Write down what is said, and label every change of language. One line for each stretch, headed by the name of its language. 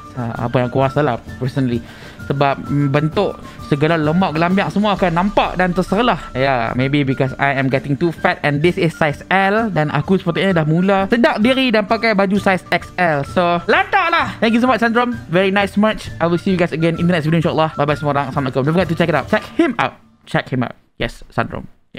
Malay: Apa yang aku rasa lah personally. Sebab bentuk segala lemak gelambiak semua akan nampak dan terserlah.
English: Yeah, maybe because I am getting too fat and this is size L.
Malay: Dan aku sepatutnya dah mula sedak diri dan pakai baju size XL.
English: So,
Malay: lantak lah.
English: Thank you so much, Sundrome. Very nice merch. I will see you guys again in the next video, insyaAllah.
Malay: Bye-bye semua orang.
English: Assalamualaikum. Don't forget to check it out. Check him out. Check him out. Yes, Sundrome.